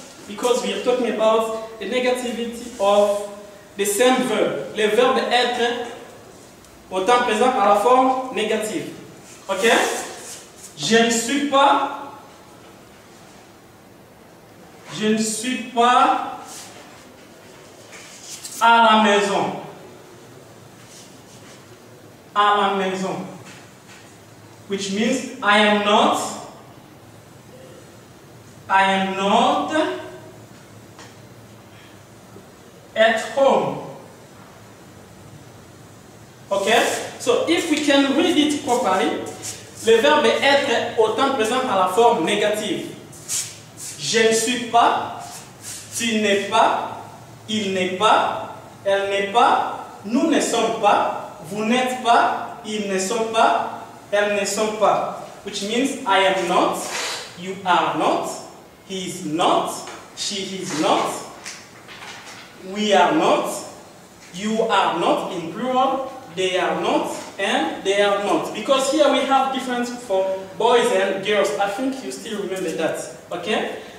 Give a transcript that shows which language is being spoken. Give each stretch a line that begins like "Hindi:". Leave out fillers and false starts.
English: Because we are talking about the negativity of the same verb.
French: Le verbe être au temps présent à la forme négative. Okay? Je ne suis pas. Je ne suis pas à la maison. À la maison.
English: Which means I am not at home. Okay? So if we can read it properly,
French: le verbe être au temps présent à la forme négative. Je ne suis pas, tu n'es pas, il n'est pas, elle n'est pas, nous ne sommes pas, vous n'êtes pas, ils ne sont pas, elles ne sont pas.
English: Which means I am not, you are not, he is not, she is not, we are not, you are not in plural, they are not, and they are not. Because here we have difference for boys and girls. I think you still remember that. Okay?